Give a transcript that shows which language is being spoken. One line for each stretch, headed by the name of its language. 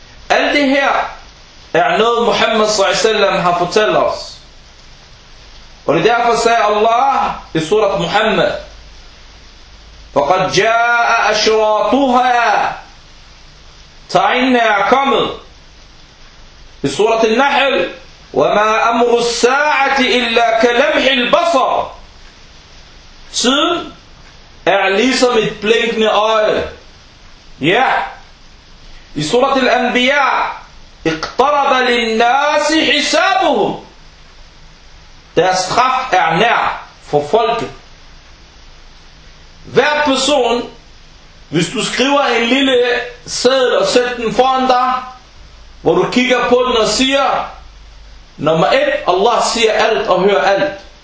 Danish: Alt det her er noget, Muhammad s.a.w. har fortalt os. Og det derfor sagde Allah i surat Muhammad,
Arabic: فَقَدْ جَاءَ أَشْرَاطُهَا.
Danish: Tegnene er kommet. I surat al-Nahl,
Arabic: وَمَا أَمْرُ السَّاعَةِ إِلَّا كَلَمْحِ الْبَصَرِ.
Danish: Tiden er ligesom et blinkende øje. Ja. I surat al-Anbiya,
Arabic: اقْتَرَبَ لِلنَّاسِ حِسَابُهُمْ.
Danish: Deres straf er nær for folket. Hver person, hvis du skriver en lille seddel og sætter den foran dig, hvor du kigger på den og siger, nummer et, Allah siger alt og hører alt.